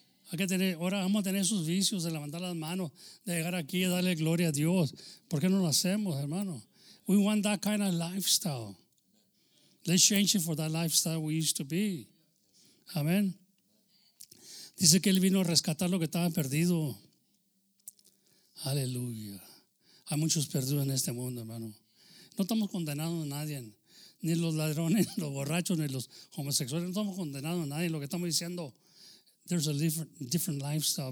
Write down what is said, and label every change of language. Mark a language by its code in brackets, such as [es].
[es] Hay que tener, ahora vamos a tener esos vicios de levantar las manos, de llegar aquí y darle gloria a Dios. ¿Por qué no lo hacemos, hermano? [en] We want that kind of lifestyle. Let's change it for that lifestyle we used to be. [es] Amén. Dice que Él vino a rescatar lo que estaba perdido. Aleluya. Hay muchos perdidos en este mundo, hermano. No estamos condenados a nadie, ni los ladrones, ni los borrachos, ni los homosexuales. No estamos condenados a nadie. Lo que estamos diciendo, [en] there's a different lifestyle.